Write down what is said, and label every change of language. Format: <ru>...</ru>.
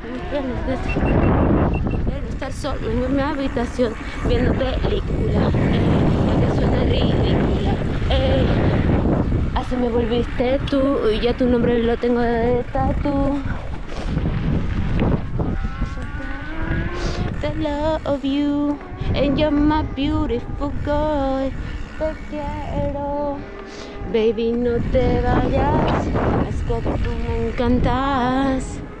<es>Quiero estar solo en mi habitación viendo películas. Ridícula, así me volviste tú y ya tu nombre lo tengo de tatu.</es> <en>The love of you and you're my beautiful girl.</en> <es>Te quiero, baby, no te vayas. Es que tú me encantas.</es>